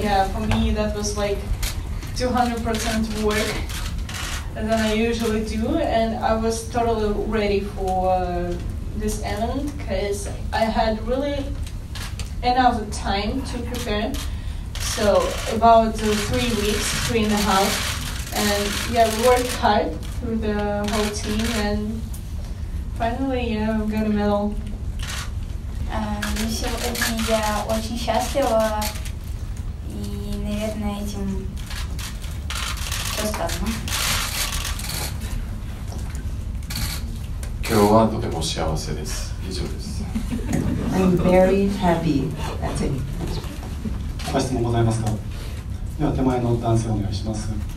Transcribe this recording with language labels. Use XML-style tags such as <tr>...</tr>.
<en>For me that was like 200% work than I usually do, and I was totally ready for this event because I had really enough time to prepare. So about 3 weeks, 3.5, and we worked hard through the whole team, and finally, we got a medal.</en> <ru>Сегодня я очень счастлива, и, наверное, этим все сказано.</ru> <ja>今日はとても幸せです。以上です。</ja> <en>I'm very happy. That's it.</en> <ja>質問ございますか。では手前の男性お願いします。</ja>